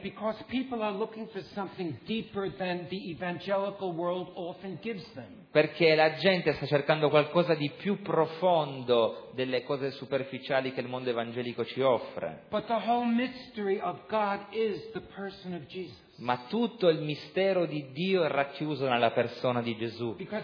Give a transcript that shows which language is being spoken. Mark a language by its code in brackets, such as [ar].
[en] because people are looking for something deeper than the evangelical world often gives them. [it] Perché la gente sta cercando qualcosa di più profondo delle cose superficiali che il mondo evangelico ci offre. [en] But the whole mystery of God is the person of Jesus. [it] Ma tutto il mistero di Dio è racchiuso nella persona di Gesù.